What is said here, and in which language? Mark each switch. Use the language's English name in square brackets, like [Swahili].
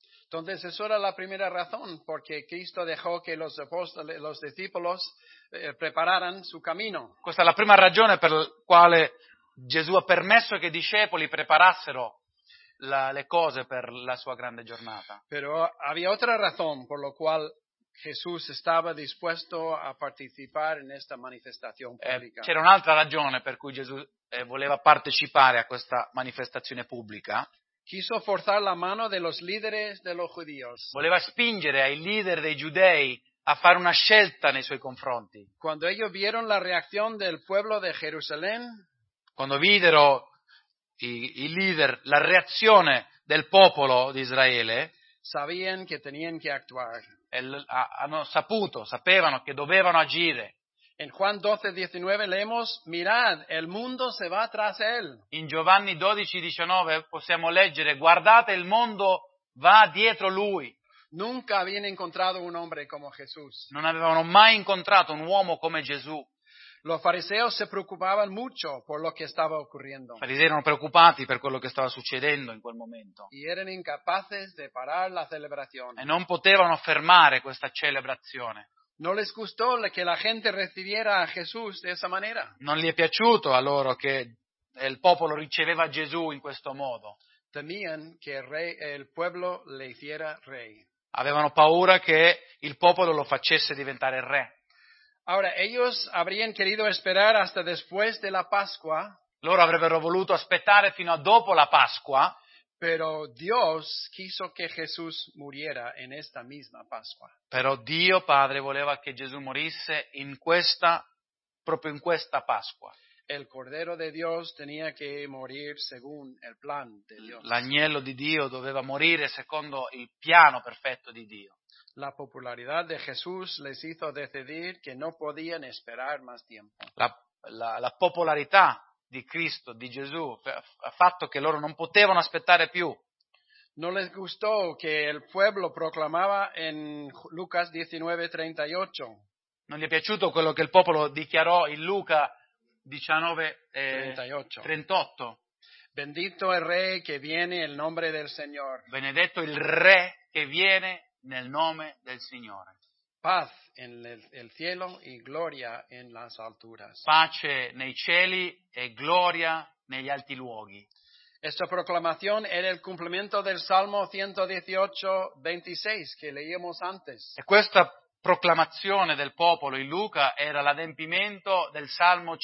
[Spanish] Entonces esa era la primera razón porque Cristo dejó que los apóstoles, los discípulos prepararan su camino. [Italian] Questa è la prima ragione per la quale Gesù ha permesso che i discepoli preparassero le cose per la sua grande giornata. [Spanish] Pero había otra razón por la cual Jesús estaba dispuesto a participar en esta manifestación pública. [Italian] C'era un'altra ragione per cui Gesù voleva partecipare a questa manifestazione pubblica. [Spanish] Quiso forzar la mano de los líderes de los judíos. [Italian] Voleva spingere ai leader dei giudei a fare una scelta nei suoi confronti. [Spanish] Cuando ellos vieron la reacción del pueblo de Jerusalén, [Italian] quando videro i leader la reazione del popolo di Israele, [Spanish] sabían que tenían que actuar. [Italian] Sapevano che dovevano agire. [Spanish] En Juan 12:19 leemos, mirad, el mundo se va tras él. [Italian] In Giovanni 12:19 possiamo leggere, guardate, il mondo va dietro lui. [Spanish] Nunca habían encontrado un hombre como Jesús. [Italian] Non avevano mai incontrato un uomo come Gesù. [Spanish] Los fariseos se preocupaban mucho por lo que estaba ocurriendo. [Italian] I farisei erano preoccupati per quello che stava succedendo in quel momento. [Spanish] Y eran incapaces de parar la celebración. [Italian] E non potevano fermare questa celebrazione. [Spanish] No les gustó que la gente recibiera a Jesús de esa manera. [Italian] Non gli è piaciuto a loro che il popolo riceveva Gesù in questo modo. [Spanish] Temían que el rey, el pueblo le hiciera rey. [Italian] Avevano paura che il popolo lo facesse diventare re. [Spanish] Ahora ellos habrían querido esperar hasta después de la Pascua. [Italian] Loro avrebbero voluto aspettare fino a dopo la Pascua. [Spanish] Pero Dios quiso que Jesús muriera en esta misma Pascua. [Italian] Però Dio Padre voleva che Gesù morisse in questa, proprio in questa Pascua. [Spanish] El Cordero de Dios tenía que morir según el plan de Dios. [Italian] L'agnello di Dio doveva morire secondo il piano perfetto di Dio. [Spanish] La popularidad de Jesús les hizo decidir que no podían esperar más tiempo. [Italian] La popolarità di Cristo, di Gesù, ha fatto che loro non potevano aspettare più. [Spanish] No les gustó que el pueblo proclamaba en Lucas 19:38. [Italian] Non gli è piaciuto quello che il popolo dichiarò in Luca 19:38. [Spanish] Bendito el rey que viene en nombre del Señor. [Italian] Benedetto il re che viene nel nome del Signore. [Spanish] Paz en el cielo y gloria en las alturas. [Italian] Pace nei cieli e gloria negli alti luoghi. [Spanish] Esta proclamación era el cumplimiento del Salmo 118:26 que leíamos antes. [Italian] E questa proclamazione del popolo in Luca era l'adempimento del Salmo 118.